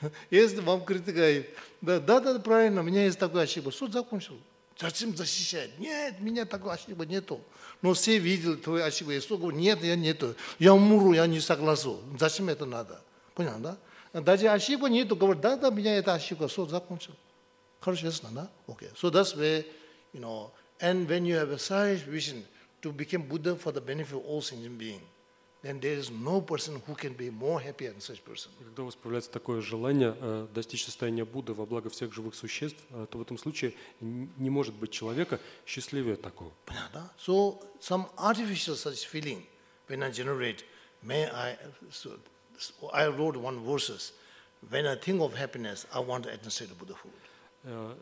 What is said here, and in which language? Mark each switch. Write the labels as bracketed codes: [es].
[ru] Если вам критика, да, правильно, у меня есть такая ошибка. Все, закончил. Зачем защищать? Нет, меня такой ошибки нету. Но все видели твою ошибку. Я говорю, нет, я нету. Я умру, я не согласен. Зачем это надо? Понял, да? Даже ошибки нету. Говорю, да, у меня это ошибка. Все, закончил. Хорошо, ясно, да? Окей. [en] So that's where, and when you have a selfish vision to become Buddha for the benefit of all sentient beings, then there is no person who can be more happy than such person. [ru] Когда у вас появляется такое желание достичь состояния Будды во благо всех живых существ, то в этом случае не может быть человека счастливее такого. Понятно? [en] So some artificial such feeling when I generate, may I, so I wrote one verses, when I think of happiness, I want to attain state of Buddhahood.